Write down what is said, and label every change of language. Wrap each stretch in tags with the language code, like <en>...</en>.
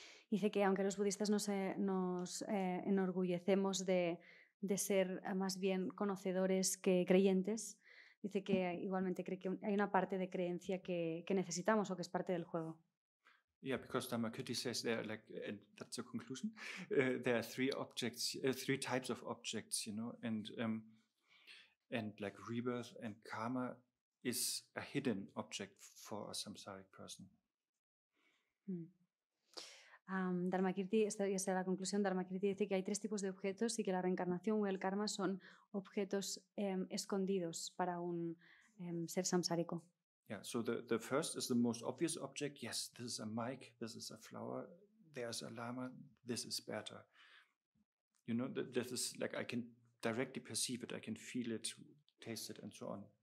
<es>Dice que aunque los budistas nos enorgullecemos de ser más bien conocedores que creyentes, dice que igualmente cree que hay una parte de creencia que necesitamos o que es parte del juego.</es> <en>Yeah, because Dhammakirti says there are like, and that's a conclusion, there are three types of objects, you know, and like rebirth and karma is a hidden object for a samsaric person.</en> <es>Dharmakirti, esta ya sea la conclusión, Dharmakirti dice que hay tres tipos de objetos y que la reencarnación o el karma son objetos escondidos para un ser samsárico.</es> <en>Yeah, so the first is the most obvious object. Yes, this is a mic, this is a flower, there's a lama, this is better. You know, this is like I can directly perceive it, I can feel it, taste it, and so on.</en>